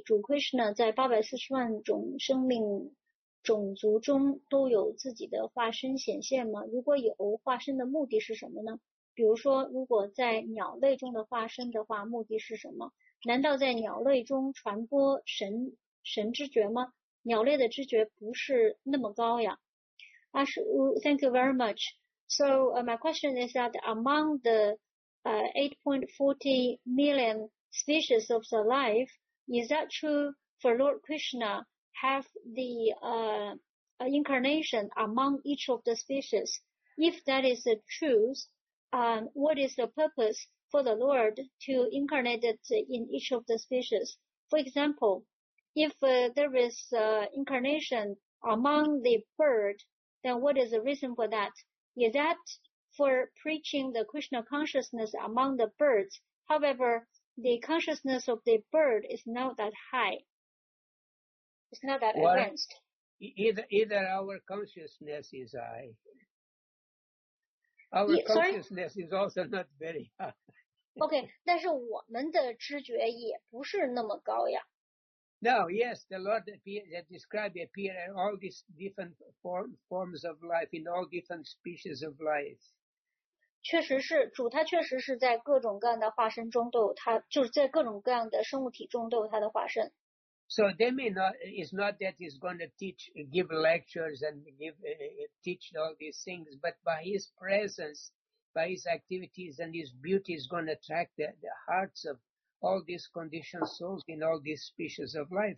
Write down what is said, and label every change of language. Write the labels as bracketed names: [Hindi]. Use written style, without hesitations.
[Chinese] 主 Krishna 在840万种生命种族中都有自己的化身显现吗？如果有，化身的目的是什么呢？比如说，如果在鸟类中的化身的话，目的是什么？难道在鸟类中传播神知觉吗？鸟类的知觉不是那么高呀。 [English] Ashu, thank you very much. So, my question is that among the 8.40 million species of the life, is that true for Lord Krishna have the incarnation among each of the species? If that is the truth, what is the purpose for the Lord to incarnate it in each of the species? For example, if there is incarnation among the bird, then what is the reason for that? Is that for preaching the Krishna consciousness among the birds? However, the consciousness of the bird is not that high. It's not that advanced. Either our consciousness is high. Our consciousness is also not very high. [Chinese] OK, 但是我们的知觉也不是那么高呀。 [English] No, yes, the Lord that described appeared in all these different forms of life, in all different species of life. [Chinese] 确实是，主他确实是在各种各样的化身中都有他，就是在各种各样的生物体中都有他的化身。 [English] So they may not, it's not that he's going to teach, give lectures and give, teach all these things, but by his presence, by his activities and his beauty is going to attract the hearts of all these conditioned souls in all these species of life.